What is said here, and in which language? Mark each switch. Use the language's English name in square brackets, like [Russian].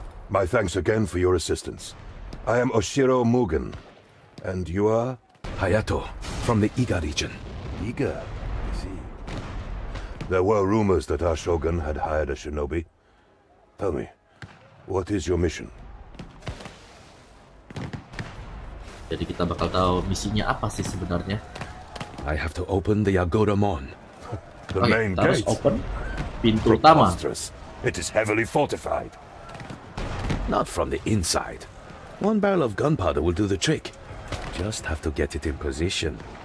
[English] My thanks again for your assistance. I am Oshiro Mugen, and you are Hayato. From the Iga region. Iga? I see. There were rumors that our Shogun had hired a shinobi. Tell me, what is your mission? [Indonesian] Jadi kita bakal tahu misinya apa sih sebenarnya. [English] I have to open the Yagoda Mon. The main gate. [Indonesian] Harus open pintu utama. [English] It is heavily fortified. Not from the inside. One barrel of gunpowder will do the trick. Just have to get it in position.